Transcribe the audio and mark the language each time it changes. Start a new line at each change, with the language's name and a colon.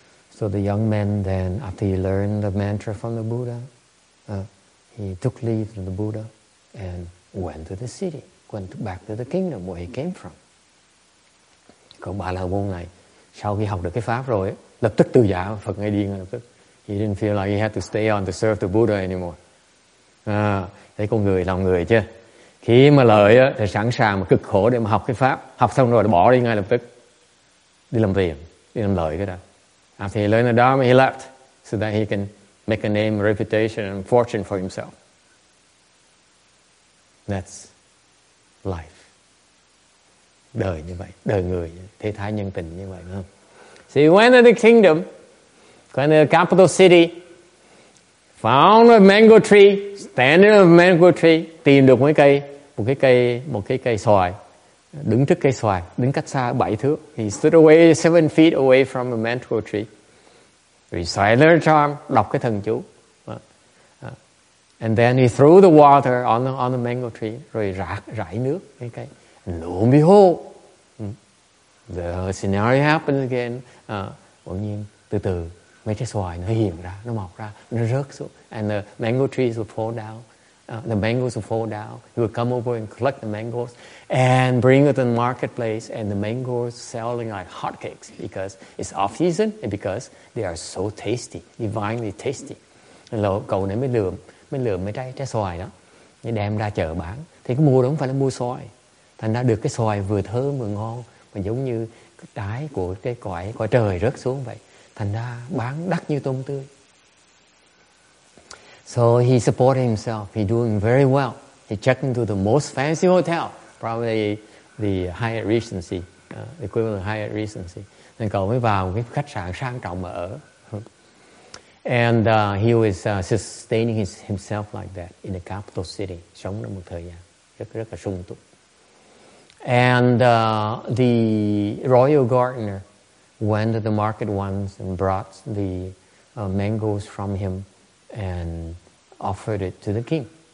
English: So the young man then, after he learned the mantra from the Buddha, he took leave of the Buddha and went to the city, went back to the kingdom where he came from.
Vietnamese: Còn Bà La Môn này, sau khi học được cái pháp rồi, lập tức từ giả, Phật ngay đi ngay lập tức.
English: He didn't feel like he had to stay on to serve the Buddha anymore.
Vietnamese: Thấy con người lòng người chứ. Khi mà lợi thì sẵn sàng mà cực khổ để mà học cái pháp, học xong rồi bỏ đi ngay lập tức. Đi làm tiền, đi làm lợi cái đó.
English: After he learned the Dharma, he left so that he can make a name, reputation, and fortune for himself. That's life.
Vietnamese: Đời như vậy, đời người, thế thái nhân tình như vậy, không?
English: So he went to the kingdom, went to the capital city, found a mango tree, standing on a mango tree,
Vietnamese: tìm được một cái cây xoài, đứng trước cây xoài, đứng cách xa 7 thước.
English: He stood away 7 feet away from the mango tree. Recite the charm,
Vietnamese: đọc cái thần chú.
English: And then he threw the water on the mango tree,
Vietnamese: rồi rải nước cái cây.
English: And lo and behold, the scenario happens again.
Vietnamese: Bỗng nhiên, từ từ, mấy trái xoài nó hiện ra, nó mọc ra, nó rớt xuống.
English: And the mango trees will fall down. The mangoes will fall down. He will come over and collect the mangoes and bring it to the marketplace. And the mangoes selling like hotcakes because it's off season and because they are so tasty, divinely tasty.
Vietnamese: Lỡ cậu này mới lượm mấy trái xoài đó, để đem ra chợ bán. Thì cái mua đó không phải là mua xoài, thành ra được cái xoài vừa thơm vừa ngon, mà giống như cái trái của cái quả trời rớt xuống vậy, thành ra bán đắt như tôm tươi.
English: So he supported himself. He's doing very well. He checked into the most fancy hotel, probably the Hyatt Regency, the equivalent of Hyatt Regency.
Vietnamese: Nên cậu mới vào cái khách sạn sang trọng mà ở.
English: And he was sustaining himself like that in the capital city.
Vietnamese: Sống được một thời gian rất là sung túc.
English: And the royal gardener went to the market once and brought the mangoes from him and offered it to the king.